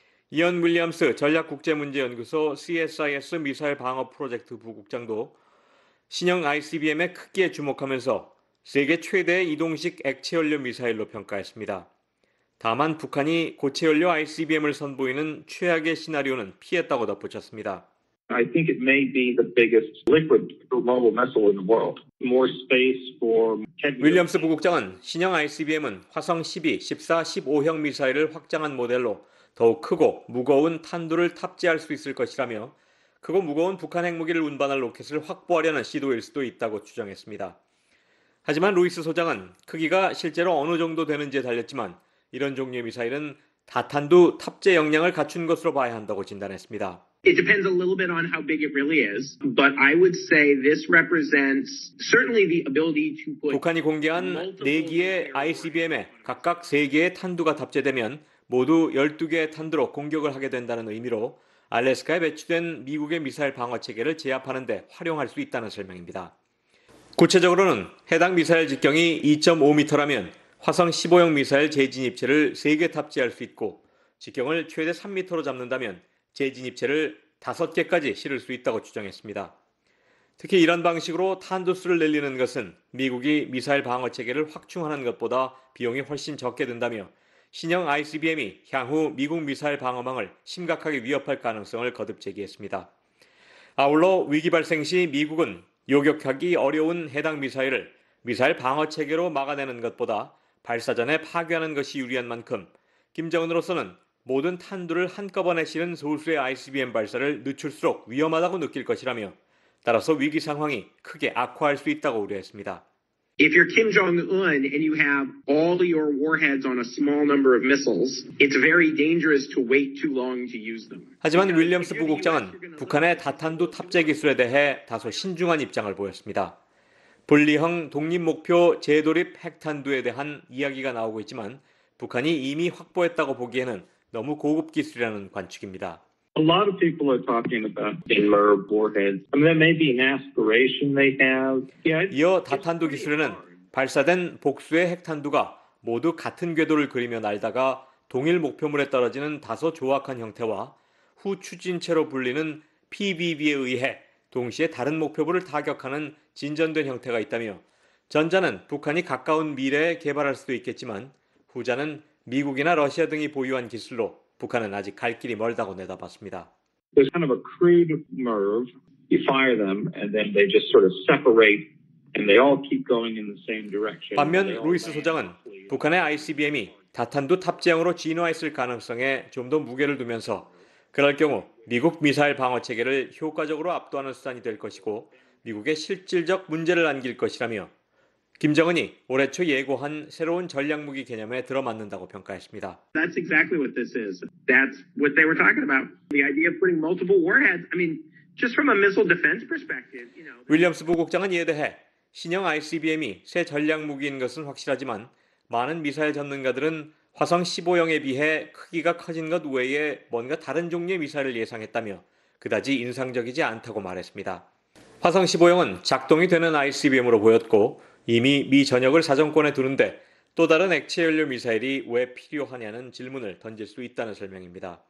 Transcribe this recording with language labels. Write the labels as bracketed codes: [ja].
[ko] 이언 윌리엄스 전략국제문제연구소 CSIS 미사일 방어 프로젝트 부국장도 신형 ICBM의 크기에 주목하면서 세계 최대의 이동식 액체연료 미사일로 평가했습니다. 다만 북한이 고체연료 ICBM을 선보이는 최악의 시나리오는 피했다고 덧붙였습니다. [en] I think it may be the biggest liquid mobile missile in the world. More space for [ko] 윌리엄스 부국장은 신형 ICBM은 화성 12, 14, 15형 미사일을 확장한 모델로 더욱 크고 무거운 탄두를 탑재할 수 있을 것이라며 크고 무거운 북한 핵무기를 운반할 로켓을 확보하려는 시도일 수도 있다고 주장했습니다. 하지만 루이스 소장은 크기가 실제로 어느 정도 되는지에 달렸지만 이런 종류의 미사일은 다탄두 탑재 역량을 갖춘 것으로 봐야 한다고 진단했습니다. [en] It depends a little bit on how big it really is, but I would say this represents certainly the ability to put [ko] 북한이 공개한 네 개의 ICBM에 각각 세 개의 탄두가 탑재되면 모두 12개의 탄두로 공격을 하게 된다는 의미로 알래스카에 배치된 미국의 미사일 방어 체계를 제압하는 데 활용할 수 있다는 설명입니다. 구체적으로는 해당 미사일 직경이 2.5m라면 화성 15형 미사일 재진입체를 3개 탑재할 수 있고 직경을 최대 3m로 잡는다면 재진입체를 5개까지 실을 수 있다고 주장했습니다. 특히 이런 방식으로 탄두수를 늘리는 것은 미국이 미사일 방어 체계를 확충하는 것보다 비용이 훨씬 적게 든다며 신형 ICBM이 향후 미국 미사일 방어망을 심각하게 위협할 가능성을 거듭 제기했습니다. 아울러 위기 발생 시 미국은 요격하기 어려운 해당 미사일을 미사일 방어 체계로 막아내는 것보다 발사 전에 파괴하는 것이 유리한 만큼 김정은으로서는 모든 탄두를 한꺼번에 실은 소수의 ICBM 발사를 늦출수록 위험하다고 느낄 것이라며 따라서 위기 상황이 크게 악화할 수 있다고 우려했습니다. [en] If you're Kim Jong-un and you have all your warheads on a small number of missiles, it's very dangerous to wait too long to use them. [ko] 하지만 윌리엄스 부국장은 북한의 다탄두 탑재 기술에 대해 다소 신중한 입장을 보였습니다. 분리형 독립 목표 재돌입 핵탄두에 대한 이야기가 나오고 있지만 북한이 이미 확보했다고 보기에는 너무 고급 기술이라는 관측입니다. [en] A lot of people are talking about IMIRB warheads. I mean, that may be an aspiration they have. [ko] Yeah, 이어 다탄두 기술에는 발사된 복수의 핵탄두가 모두 같은 궤도를 그리며 날다가 동일 목표물에 떨어지는 다소 조악한 형태와 후 추진체로 불리는 PBB에 의해 동시에 다른 목표물을 타격하는 진전된 형태가 있다며 전자는 북한이 가까운 미래에 개발할 수도 있겠지만 후자는 미국이나 러시아 등이 보유한 기술로 북한은 아직 갈 길이 멀다고 내다봤습니다. [en] There's kind of a crude MIRV. You fire them and then they just sort of separate and they all keep going in the same direction. [ko] 반면 루이스 소장은 북한의 ICBM이 다탄두 탑재형으로 진화했을 가능성에 좀 더 무게를 두면서 그럴 경우 미국 미사일 방어 체계를 효과적으로 압도하는 수단이 될 것이고 미국의 실질적 문제를 안길 것이라며 김정은이 올해 초 예고한 새로운 전략무기 개념에 들어맞는다고 평가했습니다. [en] That's exactly what this is. That's what they were talking about. The idea of putting multiple warheads. I mean, just from a missile defense perspective, you know. [ko] 윌리엄스 부국장은 이에 대해 신형 ICBM이 새 전략무기인 것은 확실하지만 많은 미사일 전문가들은 화성 15형에 비해 크기가 커진 것 외에 뭔가 다른 종류의 미사일을 예상했다며 그다지 인상적이지 않다고 말했습니다. 화성 15형은 작동이 되는 ICBM으로 보였고 이미 미 전역을 사정권에 두는데 또 다른 액체 연료 미사일이 왜 필요하냐는 질문을 던질 수 있다는 설명입니다.